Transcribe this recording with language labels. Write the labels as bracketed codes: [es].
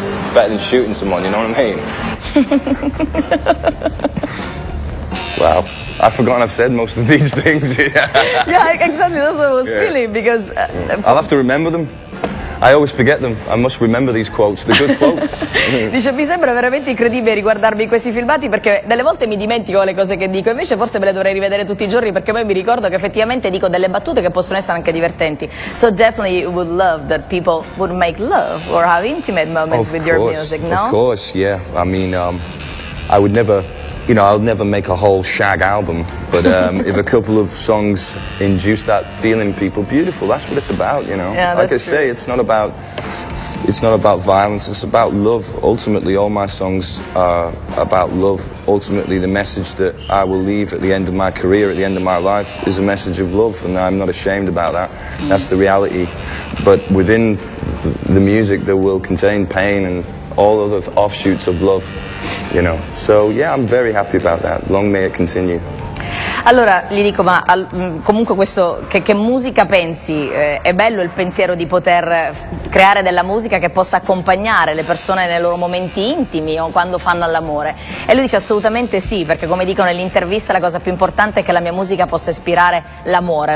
[en] It's better than shooting someone, you know what I mean? Wow. I've forgotten I've said most of these things. Yeah, exactly, that's what I was feeling, because... I'll have to remember them. I always forget them. I must remember these quotes, the good quotes. [it] Dice, mi sembra veramente incredibile riguardarmi questi filmati, perché delle volte mi dimentico le cose che dico, invece forse me le dovrei rivedere tutti i giorni, perché poi mi ricordo che effettivamente dico delle battute che possono essere anche divertenti. [en] So definitely you would love that people would make love or have intimate moments with your music, no? Of course, yeah. I mean, I would never... You know, I'll never make a whole shag album, but if a couple of songs induce that feeling, people, beautiful. That's what it's about, you know. Yeah, like that's I say, true. it's not about violence. It's about love. Ultimately, all my songs are about love. Ultimately, the message that I will leave at the end of my career, at the end of my life, is a message of love, and I'm not ashamed about that. Mm-hmm. That's the reality. But within the music, there will contain pain and all other offshoots of love, you know. So yeah, I'm very happy about that. Long may it continue. [it] Allora, gli dico, ma comunque questo, che musica pensi? È bello il pensiero di poter creare della musica che possa accompagnare le persone nei loro momenti intimi o quando fanno all'amore? E lui dice assolutamente sì, perché come dico nell'intervista, la cosa più importante è che la mia musica possa ispirare l'amore.